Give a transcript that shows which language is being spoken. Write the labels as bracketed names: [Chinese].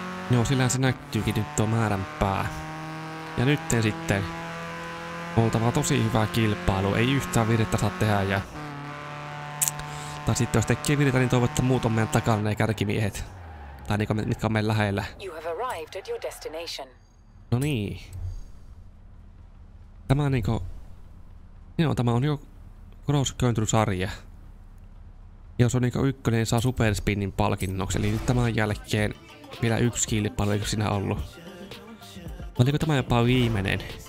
[Finnish] Joo, sillä se näkyykin nyt tuo määränpää. Ja nytten sitten oltava tosi hyvä kilpailu, ei yhtään virrettä saa tehdä ja... Tai sitten jos tekee virrettä, niin toivottavasti että muut on meidän takana ne kärkimiehet. Tai niinku mitkä on meidän lähellä. [English] You have arrived at your destination. [Finnish] No niin. Tämä on niinku... Joo, tämä on jo Cross Country -sarja. Jos on niinku ykkönen, niin saa superspinnin palkinnoksi. Eli nyt tämän jälkeen vielä yksi kilpailu, eikö siinä ollut? Oliko tämä jopa viimeinen?